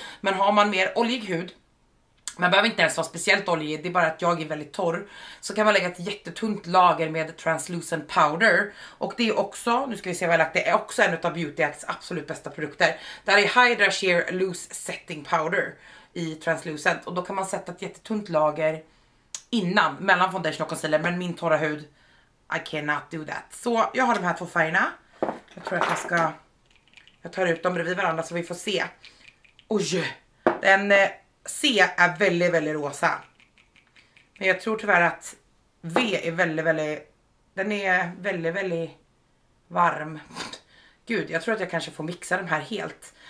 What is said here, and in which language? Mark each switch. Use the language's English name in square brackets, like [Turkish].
[Swedish] Men har man mer oljig hud, man behöver inte ens vara speciellt oljig, det är bara att jag är väldigt torr, så kan man lägga ett jättetunt lager med translucent powder. Och det är också, nu ska vi se vad jag lagt, det är också en av Beauty Acts absolut bästa produkter. Det här är Hydra Sheer Loose Setting Powder i translucent. Och då kan man sätta ett jättetunt lager innan, mellan foundation och concealer. Men min torra hud, [English] I cannot do that. [Swedish] Så jag har de här 2 färgerna. Jag tror att jag ska, jag tar ut dem bredvid varandra så vi får se. Oj, den C är väldigt, väldigt rosa. Men jag tror tyvärr att V är väldigt, väldigt... Den är väldigt, väldigt varm. Gud, jag tror att jag kanske får mixa den här helt.